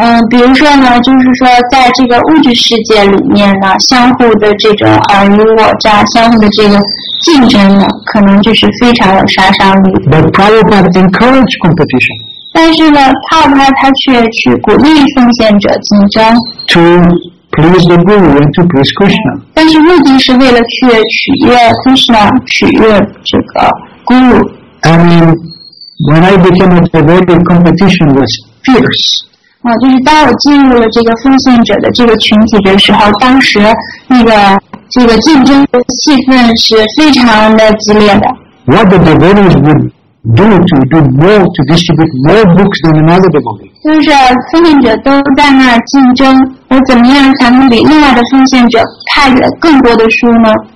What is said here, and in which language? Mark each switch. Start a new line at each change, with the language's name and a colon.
Chinese: 比如说呢，就是说在这个物质世界里面呢，相互的这种尔虞我诈，相互的这个竞争呢，可能就是非常有杀伤力。
English: But Prabhupada encouraged competition.
Chinese: 但是呢，他却去鼓励奉献者竞争。
English: To please the Guru and to please Krishna.
Chinese: 但是目的是为了去取悦 Krishna, 取悦这个 Guru.
English: I mean, when I became a devotee, competition was fierce.
Chinese: 就是当我进入了这个奉献者的这个群体的时候，当时这个竞争的气氛是非常的激烈的。
English: What the devotees would do more to distribute more books than another devotee?
Chinese: 就是奉献者都在那竞争，我怎么样才能比另外的奉献者派了更多的书呢